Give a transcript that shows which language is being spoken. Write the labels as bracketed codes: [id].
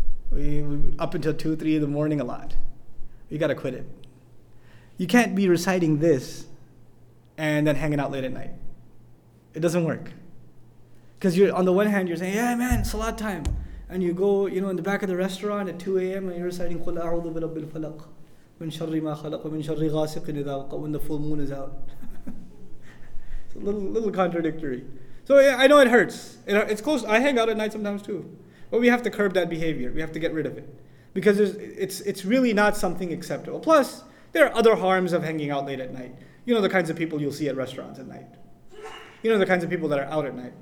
[en] We up until 2, 3 in the morning a lot. You gotta quit it. You can't be reciting this and then hanging out late at night. It doesn't work. Because you're on the one hand, you're saying, yeah man, salat time. And you go, you know, in the back of the restaurant at 2 a.m. and you're reciting, [ar] قُلْ أَعُوذُ بِرَبِّ الْفَلَقِ مِنْ شَرِّ مَا خَلَقَ مِنْ شَرِّ غَاسِقٍ إِذَا وَقَبَ, [en] when the full moon is out. It's a little contradictory. So yeah, I know it hurts. It's close. I hang out at night sometimes too. But we have to curb that behavior. We have to get rid of it. Because it's really not something acceptable. Plus, there are other harms of hanging out late at night. You know the kinds of people you'll see at restaurants at night. You know the kinds of people that are out at night.